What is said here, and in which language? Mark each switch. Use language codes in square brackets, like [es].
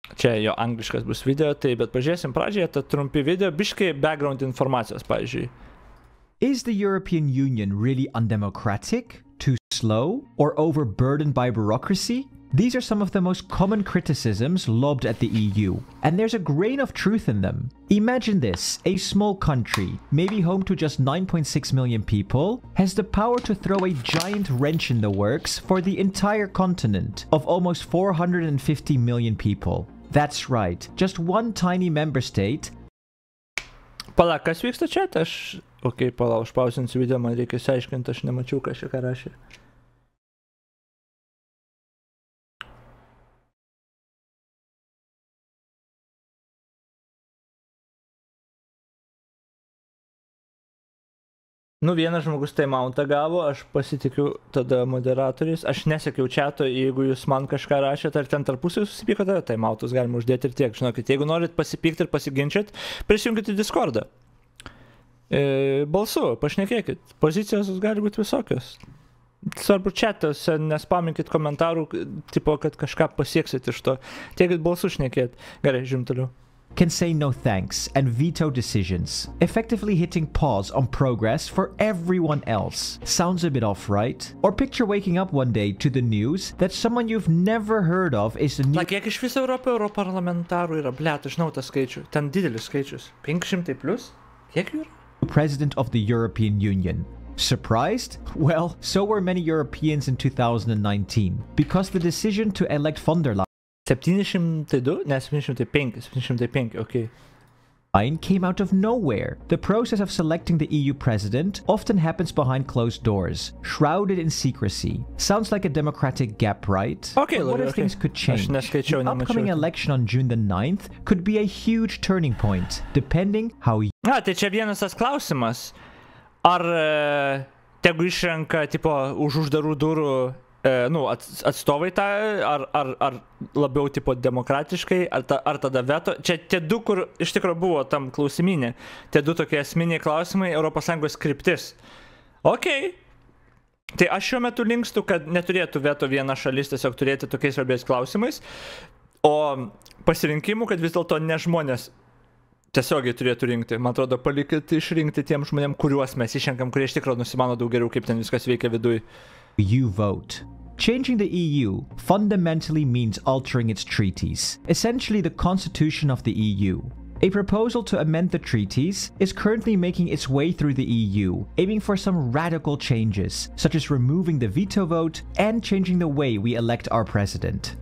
[lt] Čia jo angliškas bus video, tai bet pažiūrėsim pradžioje tą trumpį video, biškai background informacijos, pavyzdžiui. [en] Is the European Union really undemocratic, too slow, or overburdened by bureaucracy? These are some of the most common criticisms lobbed at the EU, and there's a grain of truth in them. Imagine this, a small country, maybe home to just 9.6 million people, has the power to throw a giant wrench in the works for the entire continent of almost 450 million people. That's right, just one tiny member state. [lt] Pala, kas vyksta čia? Aš... Ok, pala, užpausinsiu video, man reikia išsiaiškinti, aš nemačiau, kas čia ką rašė. Nu, vienas žmogus tai mountą gavo, aš pasitikiu tada moderatoriais. Aš nesekiau čato, jeigu jūs man kažką rašėt ar ten tarpusiai susipykote, tai mountus galima uždėti ir tiek. Žinokit, jeigu norit pasipykti ir pasiginčiat, prisijunkite į Discordą. Balsu, pašnekėkit. Pozicijos gali būti visokios. Svarbu čatose, nespaminkit komentarų, tipo, kad kažką pasieksit iš to. Tiekit balsu šnekėt. Gerai, žimtuliu. [en] Can say no thanks and veto decisions, effectively hitting pause on progress for everyone else. Sounds a bit off, right? Or picture waking up one day to the news that someone you've never heard of is a new... [lt] Na, kiek iš viso Europoje europarlamentarų yra, blėt, aš žinau tą skaičių. Ten didelis skaičius. 500 plus? Kiek jų yra? [en] President of the European Union. Surprised? Well, so were many Europeans in 2019, because the decision to elect von der Leyen [lt] 72, ne 75, 75, okay. [en] Ein came out of nowhere. The process of selecting the EU president often happens behind closed doors, shrouded in secrecy. Sounds like a democratic gap, right? Okay, but what okay, if things okay. could change? [lt] Neskaičiau, [en] the upcoming election on June the 9th could be a huge turning point, depending how you... [lt] Na, tai čia vienas tas klausimas. Ar tegu išrenka, tipo, už uždarų durų... nu, atstovai tą, ar labiau tipo demokratiškai, ar tada veto. Čia tie du, kur iš tikrųjų buvo tam klausimynė, tie du tokie esminiai klausimai, Europos Sąjungos kryptis. Okei. Okay. Tai aš šiuo metu linkstu, kad neturėtų veto viena šalis tiesiog turėti tokiais svarbiais klausimais, o pasirinkimu, kad vis dėlto ne žmonės tiesiogiai turėtų rinkti. Man atrodo, palikit išrinkti tiem žmonėm, kuriuos mes išrenkam, kurie iš tikrųjų nusimano daug geriau, kaip ten viskas veikia viduj. [en] You vote. Changing the EU fundamentally means altering its treaties, essentially the constitution of the EU. A proposal to amend the treaties is currently making its way through the EU, aiming for some radical changes, such as removing the veto vote and changing the way we elect our president.